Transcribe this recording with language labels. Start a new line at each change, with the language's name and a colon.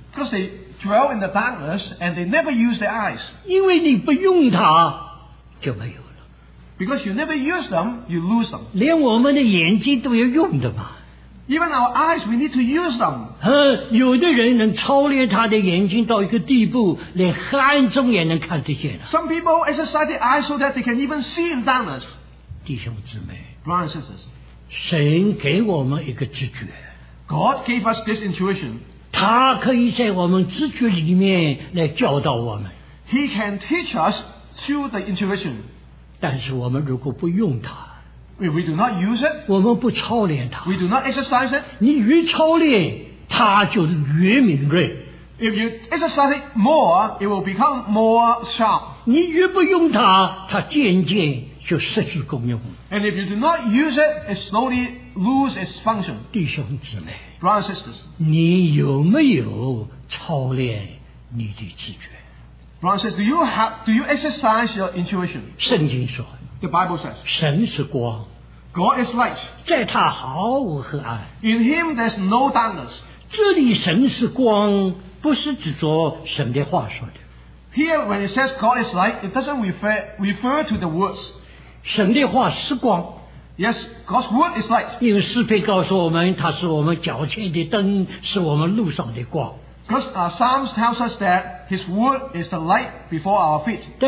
English: because they dwell in the darkness and they never use their eyes.
Chinese: 因为你不用它就没有,
English: because you never use them, you lose them.
Chinese: 连我们的眼睛都要用的吧,
English: even our eyes, we need to use them.
Chinese: 有的人能操练他的眼睛到一个地步, 连黑暗中也能看得见,
English: some people exercise their eyes so that they can even see in darkness.
Chinese: 弟兄姊妹,
English: brothers and sisters,
Chinese: 神给我们一个知觉,
English: God gave us this intuition.
Chinese: 他可以在我们知觉里面来教导我们,
English: he can teach us through the intuition.
Chinese: 但是我们如果不用它,
English: if we do not use it,
Chinese: 我们不操练它,
English: we do not exercise it,
Chinese: 你越操练, 它就越敏锐,
English: if you exercise it more, it will become more sharp.
Chinese: 你越不用它, 它渐渐就失去功用,
English: and if you do not use it, it slowly lose its function.
Chinese: 弟兄姊妹,
English: Brothers and sisters,
Chinese: 你有没有操练你的直觉?
English: Brothers and sisters, do you exercise your intuition?
Chinese: 圣经说,
English: the Bible says,
Chinese: 神是光,
English: God is light.
Chinese: 在他毫无黑暗,
English: in Him there is no darkness.
Chinese: 这里神是光, 不是指着神的话说的。
English: Here, when it says God is light, it doesn't refer to the words.
Chinese: 神的话是光,
English: yes, God's word is light.
Chinese: 因为诗篇告诉我们,祂是我们脚前的灯, 是我们路上的光。
English: Because Psalms tells us that His word is the light before our feet.